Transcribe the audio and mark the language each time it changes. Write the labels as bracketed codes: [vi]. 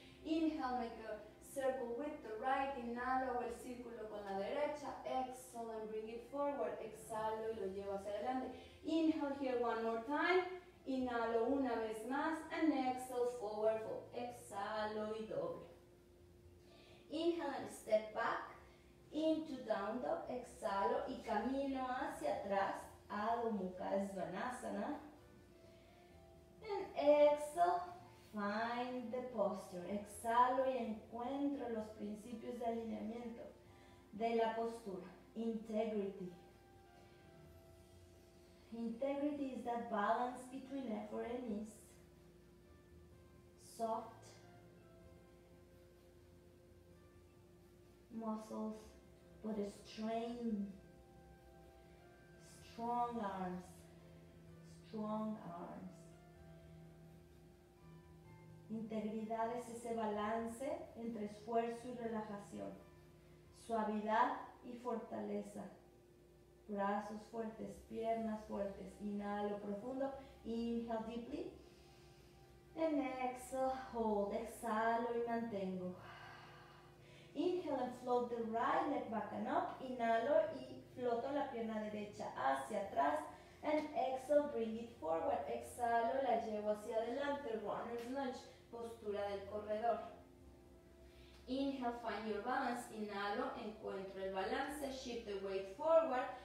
[en] inhale, make a circle with the right, [es] inhalo, hago el círculo con la derecha, [en] exhale and bring it forward, [es] exhalo y lo llevo hacia adelante, [en] inhale here one more time, [es] inhalo una vez más, [en] and exhale, forward fold, [es] exhalo y doble, [en] inhale and step back, into down dog, [es] exhalo y camino hacia atrás, [en] Adho Mukha Svanasana. And exhale, find the posture. [es] Exhalo y encuentro los principios de alineamiento de la postura. [en] Integrity. Integrity is that balance between effort and ease. Soft muscles. But a strain, strong arms, [es] integridad es ese balance entre esfuerzo y relajación, suavidad y fortaleza, brazos fuertes, piernas fuertes, inhalo profundo, [en] inhale deeply, and exhale, hold, [es] exhalo y mantengo. [en] Inhale and float the right leg back and up. [es] Inhalo y floto la pierna derecha hacia atrás. [en] And exhale, bring it forward. [es] Exhalo, la llevo hacia adelante. [en] Runner's lunge, [es] postura del corredor. [en] Inhale, find your balance. [es] Inhalo, encuentro el balance. [en] Shift the weight forward.